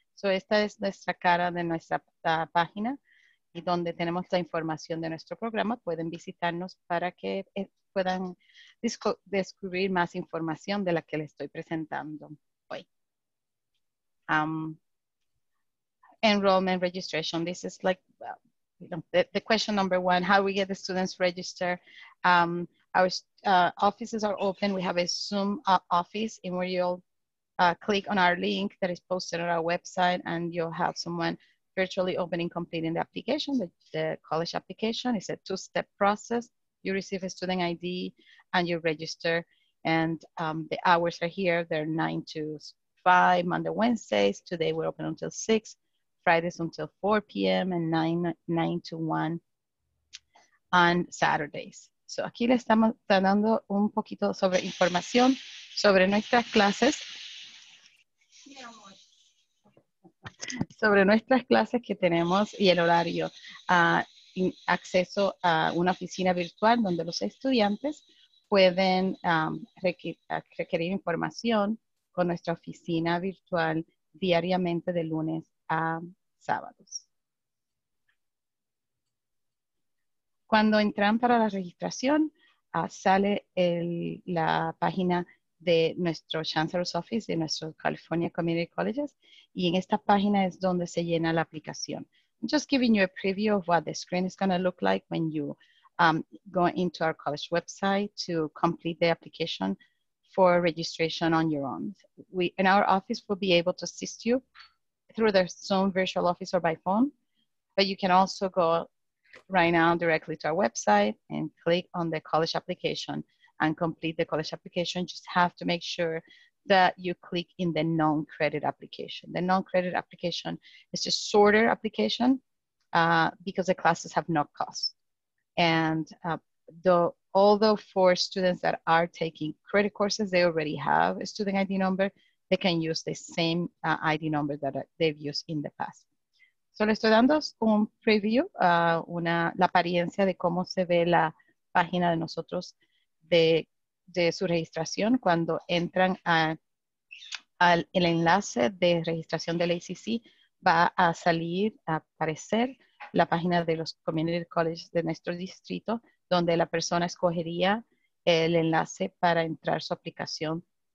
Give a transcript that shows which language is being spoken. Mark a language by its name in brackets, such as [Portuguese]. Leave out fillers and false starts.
[Spanish] So esta es nuestra cara de nuestra página y donde tenemos la información de nuestro programa. Pueden visitarnos para que puedan descubrir más información de la que les estoy presentando. [English] Enrollment registration. This is like the question number one, how we get the students registered. Our offices are open. We have a Zoom office in where you'll click on our link that is posted on our website and you'll have someone virtually opening, completing the application, the college application. It's a two-step process. You receive a student ID and you register, and the hours are here. They're 9 to 5 Monday, Wednesdays. Today we're open until 6, Fridays until 4 p.m. and 9 to 1 on Saturdays. [Spanish] So aquí le estamos dando un poquito sobre información sobre nuestras clases. Sobre nuestras clases que tenemos y el horario. Acceso a una oficina virtual donde los estudiantes pueden requerir información con nuestra oficina virtual diariamente de lunes a sábados. Cuando entran para la registración, sale la página de nuestro Chancellor's Office, de nuestro California Community Colleges, y en esta página es donde se llena la aplicación. [English] I'm just giving you a preview of what the screen is going to look like when you go into our college website to complete the application for registration on your own. We in our office will be able to assist you through their Zoom virtual office or by phone, but you can also go right now directly to our website and click on the college application and complete the college application. Just have to make sure that you click in the non-credit application. The non-credit application is a shorter application because the classes have no cost. And although for students that are taking credit courses, they already have a student ID number, they can use the same ID number that they've used in the past. [Spanish] So, le estoy dando un preview, la apariencia de cómo se ve la página de nosotros de su registración. Cuando entran al enlace de registración del ACC, va a salir, a aparecer la página de los Community Colleges de nuestro distrito, donde la persona escogería el enlace para entrar su aplicación